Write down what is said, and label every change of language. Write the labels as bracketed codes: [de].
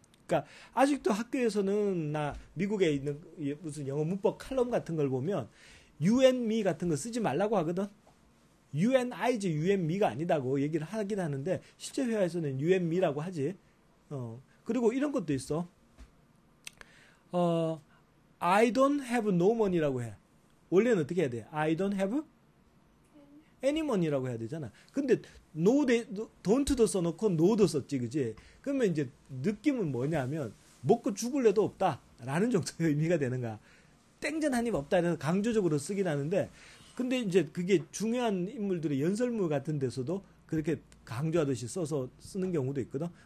[ko] 그러니까 아직도 학교에서는 나 미국에 있는 무슨 영어 문법 칼럼 같은 걸 보면 you and me 같은 거 쓰지 말라고 하거든. [en] You and I지 You and me가 아니다고 얘기를 하긴 하는데 실제 회화에서는 You and me라고 하지. [ko] 그리고 이런 것도 있어. [en] I don't have no money라고 해. [ko] 원래는 어떻게 해야 돼? [en] I don't have any money라고 해야 되잖아. [ko] 근데 don't도 써놓고 no도 썼지, 그지? 그러면 이제 느낌은 뭐냐면 먹고 죽을 애도 없다 라는 정도의 의미가 되는 거야. 땡전 한 입 없다 해서 강조적으로 쓰긴 하는데 근데 이제 그게 중요한 인물들의 연설물 같은 데서도 그렇게 강조하듯이 써서 쓰는 경우도 있거든.